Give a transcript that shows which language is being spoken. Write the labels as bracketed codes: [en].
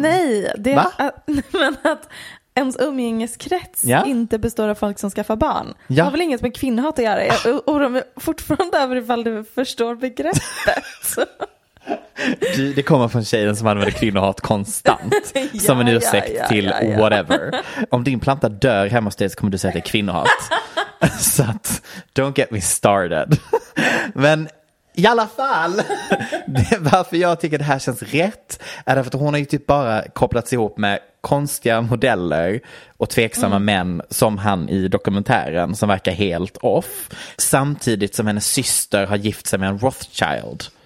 [sv] Nej, det är att ens umgängeskrets inte består av folk som skaffar barn. Ja. Det har väl inget med kvinnohat att göra. Jag oroar mig fortfarande över ifall du förstår begreppet. Det kommer från tjejen som använder kvinnohat konstant. Ja, som en ursäkt till whatever. Ja. Om din planta dör hemma hos dig så kommer du säga att det är kvinnohat. Så att, [en] don't get me started. [sv] Men... I alla fall, det varför jag tycker det här känns rätt är därför att hon har ju typ bara kopplats ihop med konstiga modeller och tveksamma män som han i dokumentären som verkar helt off. Samtidigt som hennes syster har gift sig med en Rothschild.